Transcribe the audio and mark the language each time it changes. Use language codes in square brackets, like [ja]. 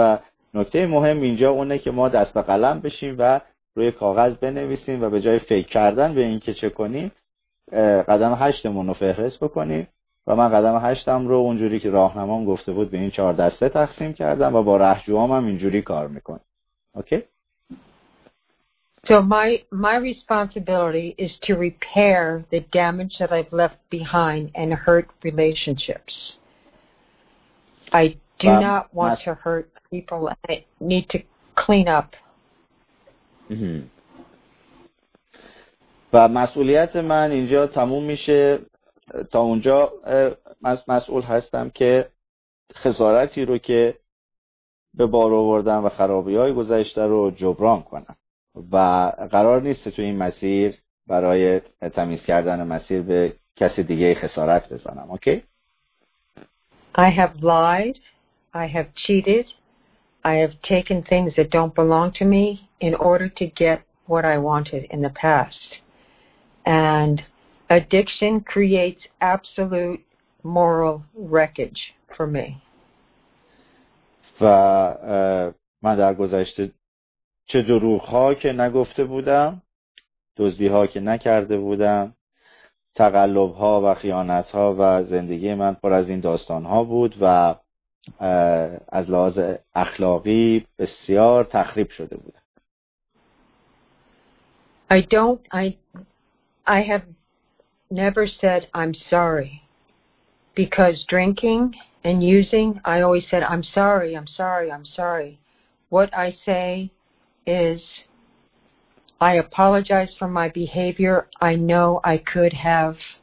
[fa] و نکته مهم اینجا اونه که ما دست به قلم بشیم و روی کاغذ بنویسیم و به جای فکر کردن به این که چه کنیم، قدم هشتمون رو فهرست بکنیم. و من قدم هشتم رو اونجوری که راهنمام گفته بود به این چهار دسته تقسیم کردم و با رهجوام هم اینجوری کار میکنم. [en] Okay? So my responsibility is to repair the damage that I've left behind and hurt relationships. I do not want to hurt people, I need to clean up. [fa] و مسئولیت من اینجا تموم میشه، تا اونجا مسئول هستم که خسارتی رو که به بار آوردم و خرابی‌های گذشته رو جبران کنم، و قرار نیست تو این مسیر برای تمیز کردن مسیر به کسی دیگه خسارت بزنم. [en] Okay? I have lied, I have cheated, I have taken things that don't belong to me in order to get what I wanted in the past. And addiction creates absolute moral wreckage for me. [fa] و من در گذشته چه دروغ‌ها که نگفته بودم، دزدی‌ها که نکرده بودم، تقلب‌ها و خیانت‌ها، و زندگی من پر از این داستان‌ها بود و از لحاظ اخلاقی بسیار تخریب شده بود. [en] I have never said I'm sorry because drinking and using, I always said I'm sorry, I'm sorry, I'm sorry. What I say is I apologize for my behavior. I know I could have